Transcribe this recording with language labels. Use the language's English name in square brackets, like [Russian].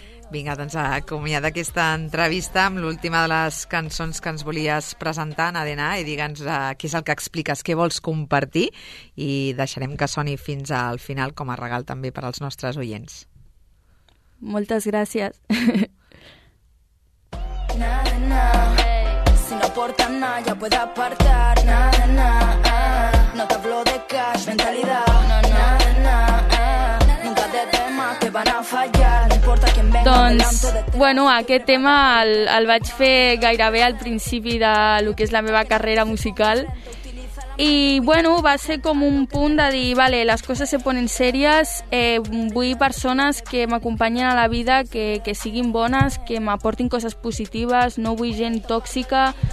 [Catalan] Vinga, doncs acomiada aquesta entrevista amb l'última de les cançons que ens volies presentar, Nadena, i digue'ns què és el que expliques, què vols compartir, i deixarem que soni fins al final com a regal també per als nostres oients. Moltes gràcies. [Spanish] Nadena, si no portan nada ya puede apartar. Nadena, no te hablo de cash, mentalidad. Nadena, nunca de temas que van a fallar. [Catalan] Doncs, bueno, aquest tema el vaig fer gairebé al principi de lo que és la meva carrera musical i, bueno, va ser com un punt de dir, vale, les coses se ponen sèries, vull persones que m'acompanyen a la vida, que siguin bones, que m'aportin coses positives, no vull gent tòxica.